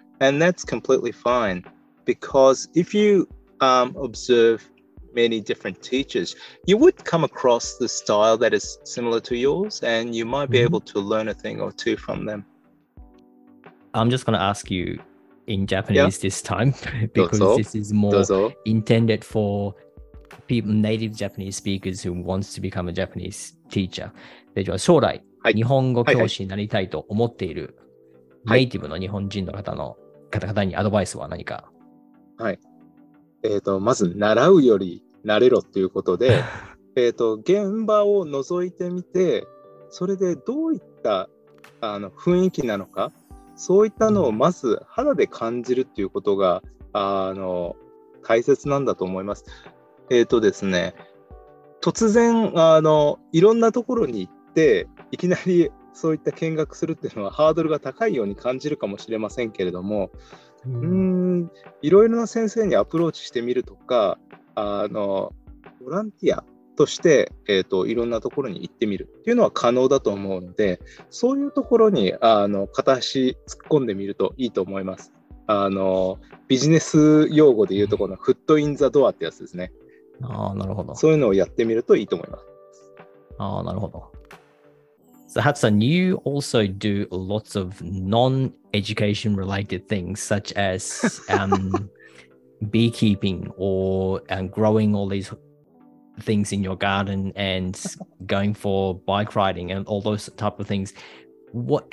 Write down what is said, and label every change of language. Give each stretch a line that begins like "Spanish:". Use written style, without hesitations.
English: And that's completely fine, because if you observe many different teachers, you would come across the style that is similar to yours, and you might be able to learn a thing or two from them. I'm just going to ask you in Japanese this time, because this is more intended for people, native Japanese speakers who wants to become a Japanese teacher.
Japanese: で、将来 日本語教師になりたいと思っているネイティブの日本人の方の方々にアドバイスは何か？はい。まず習うより慣れろということで、現場を覗いてみて、それでどういったあの雰囲気なのか、そういったのをまず肌で感じるということが、あの、大切なんだと思います。ですね、突然あのいろんなところに行っていきなりそういった見学するっていうのはハードルが高いように感じるかもしれませんけれども、いろいろな先生にアプローチしてみるとか、あのボランティアとして、いろんなところに行ってみるっていうのは可能だと思うので、そういうところにあの片足突っ込んでみるといいと思います。あのビジネス用語でいうところのフットインザドアってやつですね。ああ、なるほど。そういうのをやってみるといいと思います。ああ、なるほど。
English: So Hatsu, you also do lots of non-education related things, such as beekeeping or growing all these things in your garden and going for bike riding and all those type of things. What?